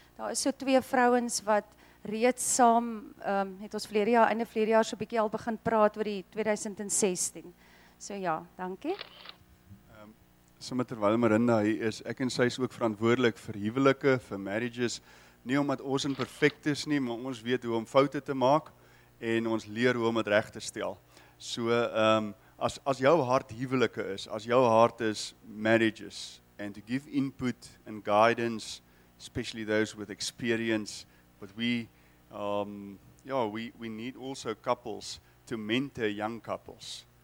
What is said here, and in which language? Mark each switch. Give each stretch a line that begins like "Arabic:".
Afrikaans: Daar is so 2 vrouens wat reeds saam, het ons verlede jaar, einde verlede jaar, so 'n bietjie al begin praat oor die 2016. So ja, dankie. Terwyl Marinda hier is, ek en sy is ook verantwoordelik vir huwelike, vir marriages. Nie omdat ons in perfect is nie, maar ons weet hoe om foute te maak en ons leer hoe om het reg te stel. So, as jou hart huwelike is, as jou hart is
English: marriages, and to give input and guidance, especially those with experience, but we need also couples to mentor young couples.